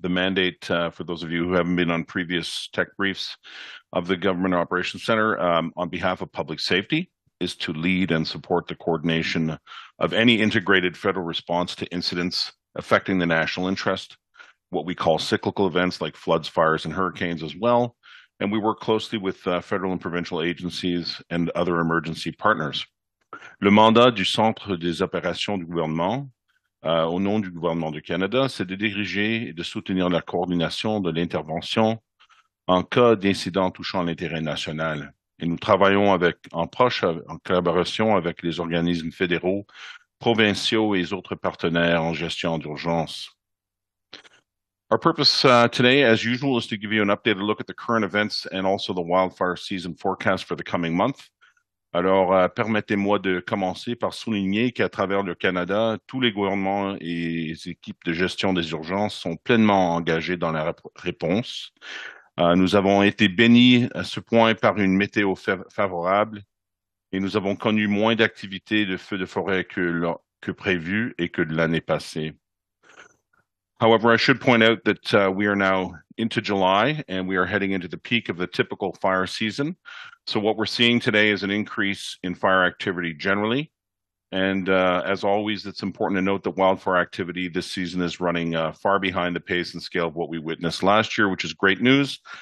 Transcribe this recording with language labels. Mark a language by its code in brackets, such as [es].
[en] The mandate, for those of you who haven't been on previous tech briefs of the Government Operations Centre, on behalf of public safety, is to lead and support the coordination of any integrated federal response to incidents affecting the national interest, what we call cyclical events like floods, fires, and hurricanes as well. And we work closely with federal and provincial agencies and other emergency partners. [fr] Le mandat du Centre des opérations du gouvernement, au nom du gouvernement du Canada, c'est de diriger et de soutenir la coordination de l'intervention en cas d'incident touchant l'intérêt national. Et nous travaillons avec, en proche, en collaboration avec les organismes fédéraux, provinciaux et les autres partenaires en gestion d'urgence. [en] Our purpose today, as usual, is to give you an updated look at the current events and also the wildfire season forecast for the coming month. [fr] Alors, permettez-moi de commencer par souligner qu'à travers le Canada, tous les gouvernements et les équipes de gestion des urgences sont pleinement engagés dans la réponse. Nous avons été bénis à ce point par une météo favorable et nous avons connu moins d'activités de feux de forêt que prévu et que de l'année passée. [en] However, I should point out that we are now into July and we are heading into the peak of the typical fire season. So what we're seeing today is an increase in fire activity generally. And as always, it's important to note that wildfire activity this season is running far behind the pace and scale of what we witnessed last year, which is great news.